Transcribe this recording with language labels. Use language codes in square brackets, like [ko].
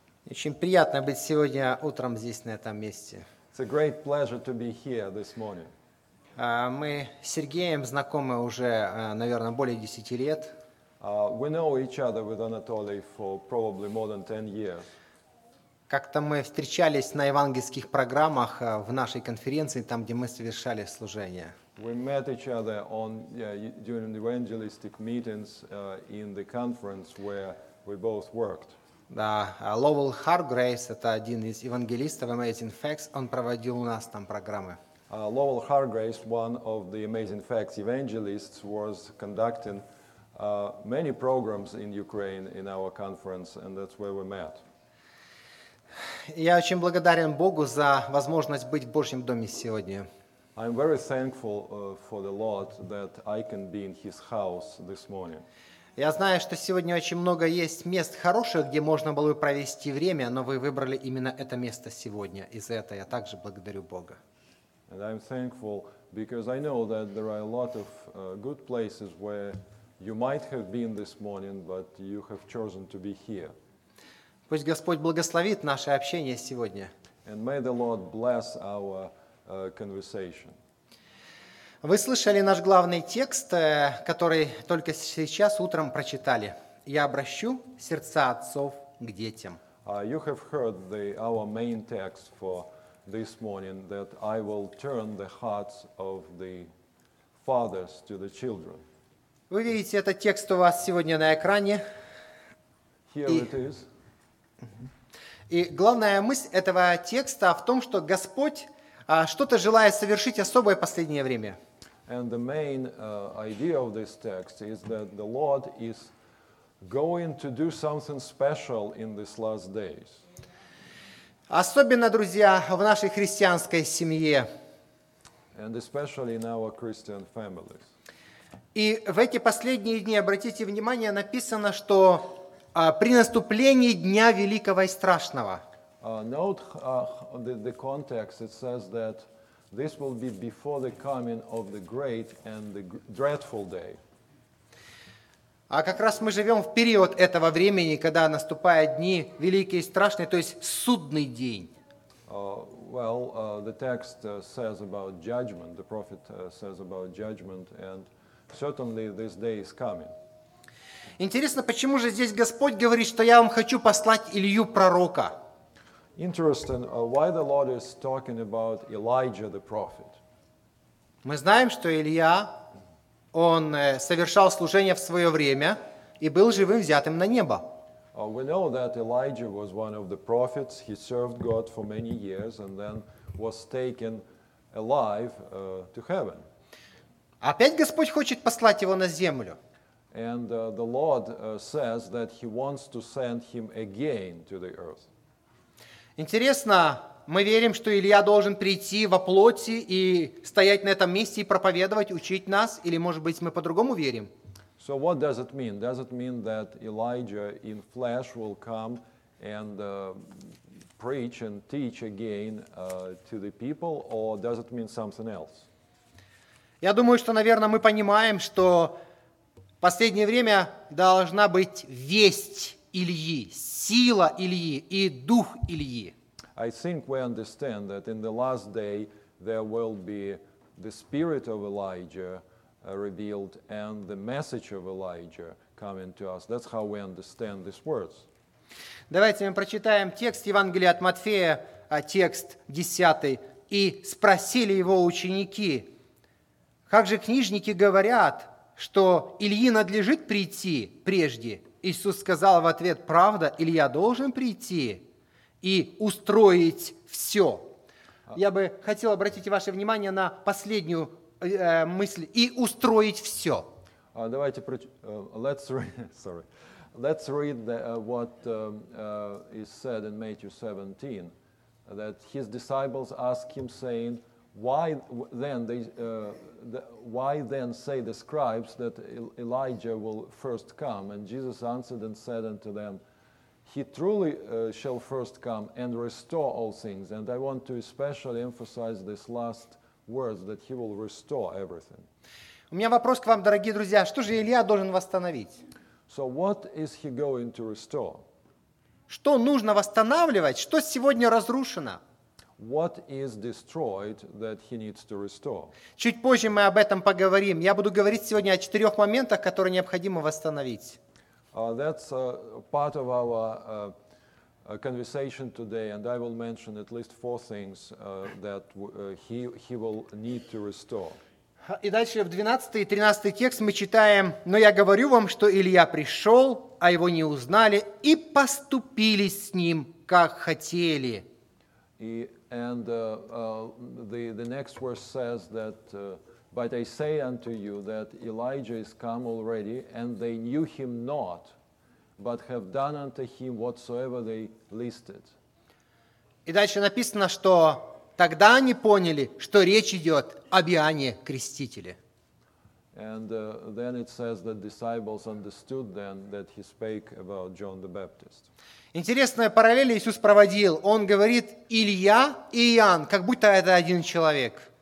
[ru] Очень приятно быть сегодня утром здесь, на этом месте. [en] It's a great pleasure to be here this morning. [ru] Мы с Сергеем знакомы уже, наверное, более 10 лет. [en] We know each other with Anatoly for probably more than 10 years. [ru] Как-то мы встречались на евангельских программах в нашей конференции, там, где мы совершали служение. [en] We met each other on during the evangelistic meetings in the conference where we both worked. [ru] Да, Ловел Харгрейвс, это один из евангелистов Amazing Facts, он проводил у нас там программы. [en] Ловел Харгрейвс, one of the Amazing Facts evangelists, was conducting many programs in Ukraine in our conference, and that's where we met. [ru] Я очень благодарен Богу за возможность быть в Божьем доме сегодня. [en] I'm very thankful for the Lord that I can be in His house this morning. [ru] Я знаю, что сегодня очень много есть мест хороших, где можно было бы провести время, но вы выбрали именно это место сегодня. И за это я также благодарю Бога. [en] And I'm thankful because I know that there are a lot of good places where you might have been this morning, but you have chosen to be here. [ru] Пусть Господь благословит наше общение сегодня. [en] And may the Lord bless our conversation. [ru] Вы слышали наш главный текст, который только сейчас утром прочитали. Я обращу сердца отцов к детям. [en] You have heard our main text for this morning, that I will turn the hearts of the fathers to the children. [ru] Вы видите этот текст у вас сегодня на экране. [en] Here it is. [ru] И главная мысль этого текста в том, что Господь что-то желает совершить особое в последнее время. [en] And the main idea of this text is that the Lord is going to do something special in these last days. [ru] Особенно, друзья, в нашей христианской семье. [en] And especially in our Christian families. [ru] И в эти последние дни, обратите внимание, написано, что при наступлении Дня Великого и Страшного. [en] Note the context, it says that this will be before the coming of the great and the dreadful day. [ru] А как раз мы живем в период этого времени, когда наступают дни великие и страшные, то есть судный день. [en] The text says about judgment, the prophet says about judgment, and certainly this day is coming. [ru] Интересно, почему же здесь Господь говорит, что я вам хочу послать Илью пророка? [en] Interesting, why the Lord is talking about Elijah the prophet. [ru] Мы знаем, что Илья, он совершал служение в свое время и был живым взятым на небо. [en] We know that Elijah was one of the prophets. He served God for many years and then was taken alive to heaven. [ru] Опять Господь хочет послать его на землю. [en] And the Lord says that he wants to send him again to the earth. [ru] Интересно, мы верим, что Илья должен прийти во плоти и стоять на этом месте и проповедовать, учить нас, или, может быть, мы по-другому верим? [en] So what does it mean? Does it mean that Elijah in flesh will come and preach and teach again to the people, or does it mean something else? [ru] Я думаю, что, наверное, мы понимаем, что в последнее время должна быть весть Ильи, сила Ильи и дух Ильи. [en] I think we understand that in the last day there will be the spirit of Elijah revealed and the message of Elijah coming to us. That's how we understand these words. [ru] Давайте мы прочитаем текст Евангелия от Матфея, текст 10. И спросили его ученики, как же книжники говорят, что Ильи надлежит прийти прежде? Иисус сказал в ответ, правда, Илья должен прийти и устроить все. Я бы хотел обратить ваше внимание на последнюю мысль, и устроить все. Давайте, [en] let's read what is said in Matthew 17. that his disciples ask him, saying, why then say the scribes that Elijah will first come? And Jesus answered and said unto them, he truly shall first come and restore all things. And I want to especially emphasize this last words, that he will restore everything. [ru] У меня вопрос к вам, дорогие друзья. Что же Илия должен восстановить? [en] So what is he going to restore? [ru] Что нужно восстанавливать? Что сегодня разрушено? [en] What is destroyed that he needs to restore? [ru] Чуть позже мы об этом поговорим. Я буду говорить сегодня о четырех моментах, которые необходимо восстановить. [en] That's part of our conversation today, and I will mention at least four things that he will need to restore. [ru] И дальше в 12 и 13 текст мы читаем, но я говорю вам, что Илия пришел, а его не узнали, и поступили с ним, как хотели. [en] The next verse says that, but I say unto you that Elijah is come already, and they knew him not, but have done unto him whatsoever they listed. [ru] И дальше написано, что тогда они поняли, что речь идет об Иоанне Крестителе. [en] And then it says that disciples understood then that he spake about John the Baptist. [ru] Интересная параллель Иисус проводил. Он говорит Илья и Иоанн, как будто это один человек.